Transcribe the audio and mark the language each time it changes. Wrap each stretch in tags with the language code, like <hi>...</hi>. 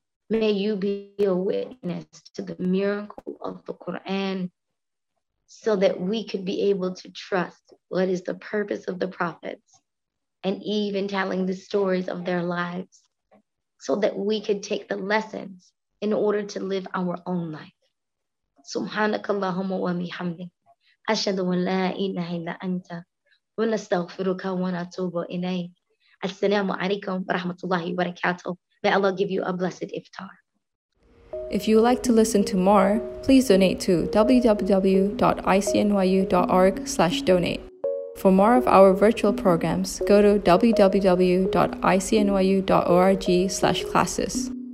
<en>May you be a witness to the miracle of the Quran so that we could be able to trust what is the purpose of the prophets and even telling the stories of their lives so that we could take the lessons in order to live our own life.</en> <ar>سبحانك اللهم وبحمدك أشهد أن لا إله إلا أنت ونستغفرك ونتوب إليك. Assalamu alaikum warahmatullahi wabarakatuh.</ar> <en>May Allah give you a blessed iftar. If you would like to listen to more, please donate to www.icnyu.org/donate. For more of our virtual programs, go to www.icnyu.org/classes.</en>